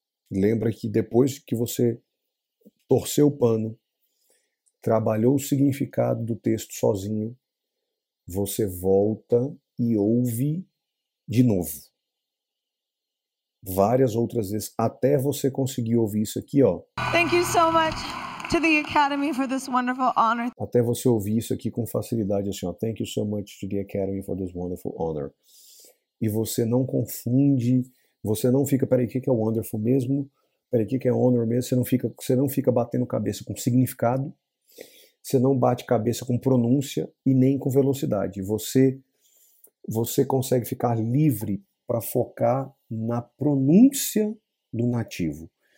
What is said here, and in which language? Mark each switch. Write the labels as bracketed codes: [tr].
[pt] Lembra que depois que você torceu o pano, trabalhou o significado do texto sozinho, você volta e ouve de novo. Várias outras vezes, até você conseguir ouvir isso aqui, ó. [en] Thank you so much to the Academy for this wonderful honor. [pt] Até você ouvir isso aqui com facilidade, assim, ó. [en] Thank you so much to the Academy for this wonderful honor. [pt] E você não confunde, você não fica, peraí, o que é wonderful mesmo? Peraí, o que é honor mesmo? Você não fica batendo cabeça com significado. Você não bate cabeça com pronúncia e nem com velocidade. Você consegue ficar livre para focar na pronúncia do nativo.